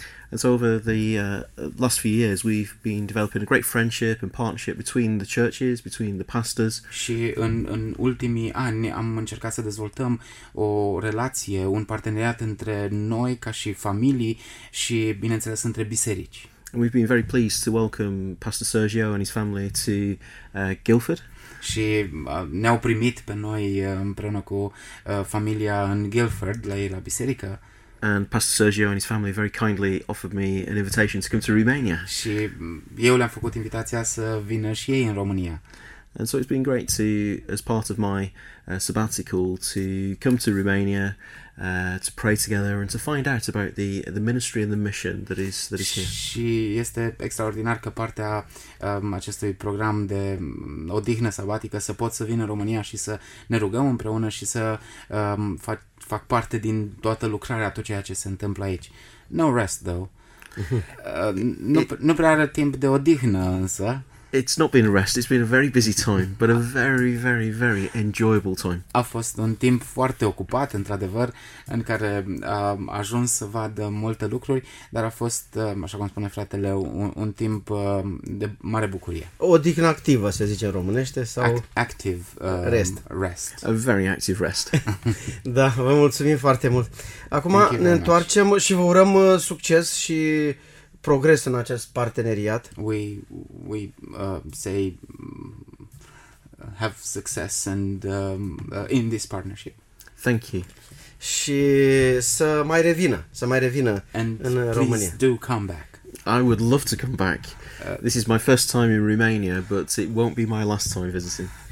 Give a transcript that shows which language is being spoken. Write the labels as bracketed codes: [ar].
[en] And so over the last few years we've been developing a great friendship and partnership between the churches, between the pastors. [ro] Și în ultimii ani am încercat să dezvoltăm o relație, un parteneriat între noi ca și familii și, bineînțeles, între biserici. [en] And we've been very pleased to welcome Pastor Sergio and his family to Guildford. [ro] Și ne-au primit pe noi împreună cu familia în Guildford, la ei la biserică. [en] And Pastor Sergio and his family very kindly offered me an invitation to come to Romania. [ro] Și eu le-am făcut invitația să vină și ei în România. [en] And so it's been great to, as part of my sabbatical, to come to Romania, to pray together and to find out about the ministry and the mission that is here. [ro] Și este extraordinar că partea acestui program de odihnă sabatică să pot să vin în România și să ne rugăm împreună și să fac parte din toată lucrarea, tot ceea ce se întâmplă aici. [en] No rest, though. [ro] Nu prea are timp de odihnă, însă. [en] It's not been a rest, it's been a very busy time, but a very, very, very enjoyable time. [ro] A fost un timp foarte ocupat, într-adevăr, în care am ajuns să vadă multe lucruri, dar a fost, așa cum spune fratele, un tim de mare bucurie. Odihnă activă, se zice în românește, sau... [en] Active rest. A very active rest. [ro] Da, vă mulțumim foarte mult. Acum ne întoarcem și vă urăm succes și... progres în acest parteneriat. [en] We say have success and in this partnership. Thank you. [ro] Și să mai revină, [en] and [ro] în România. [en] Please do come back. I would love to come back. This is my first time in Romania, but it won't be my last time visiting.